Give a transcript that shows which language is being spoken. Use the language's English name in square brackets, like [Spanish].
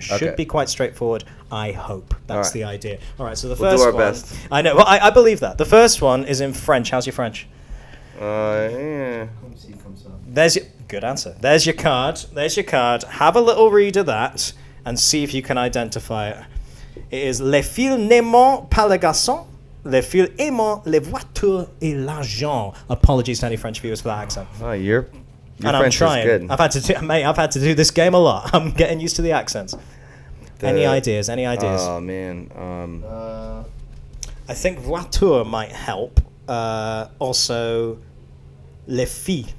[English] Should be quite straightforward, I hope. That's the idea. All right, so the first one. We'll do our best. I know. Well, I believe that. The first one is in French. How's your French? There's your good answer. There's your card. Have a little read of that and see if you can identify it. It is [French] Les filles n'aiment pas les garçons, les filles aiment les voitures et l'argent. [English] Apologies to any French viewers for that accent. Oh, your French is good. I've had to do this game a lot. I'm getting used to the accents. Any ideas? Oh man. I think voiture might help. Also [French] Les filles.